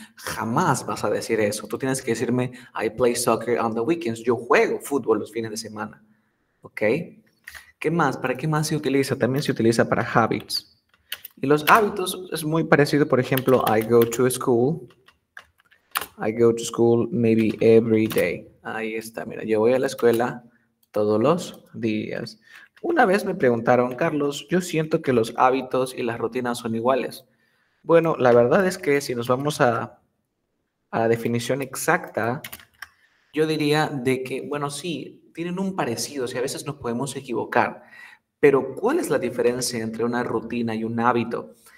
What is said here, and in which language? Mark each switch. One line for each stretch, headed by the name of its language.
Spanish: Jamás vas a decir eso. Tú tienes que decirme,
English: I play soccer on the weekends.
Spanish: Yo juego fútbol los fines de semana. ¿Ok? ¿Qué más? ¿Para qué más se utiliza? También se utiliza para habits. Y los hábitos es muy parecido, por ejemplo,
English: I go to school. I go to school maybe every day.
Spanish: Ahí está, mira, yo voy a la escuela todos los días. Una vez me preguntaron, Carlos, yo siento que los hábitos y las rutinas son iguales. Bueno, la verdad es que si nos vamos a la definición exacta, yo diría de que, bueno, sí, tienen un parecido, o sea, a veces nos podemos equivocar, pero ¿cuál es la diferencia entre una rutina y un hábito?